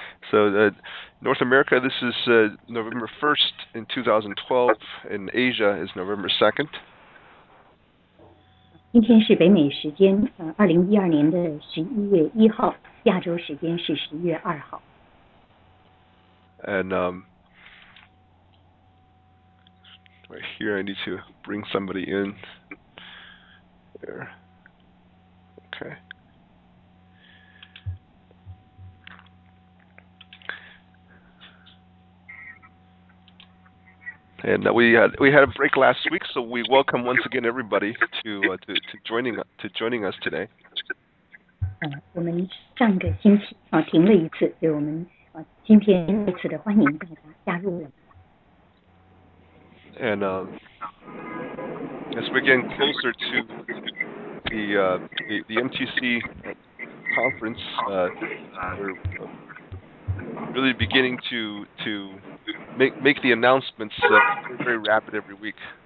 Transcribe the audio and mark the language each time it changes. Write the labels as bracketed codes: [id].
[en] So North America, this is November 1st in 2012, and Asia is November 2nd. [zh] 今天是北美时间, 2012年的11月1号, 亚洲时间是11月2号。 [en] And right here, I need to bring somebody in. There. Okay. And we had a break last week, so we welcome once again everybody to joining us today. [zh] 我们上个星期停了一次，所以我们今天再次的欢迎大家加入。And [en] as we get closer to the MTC conference, we're really beginning to make the announcements very rapid every week.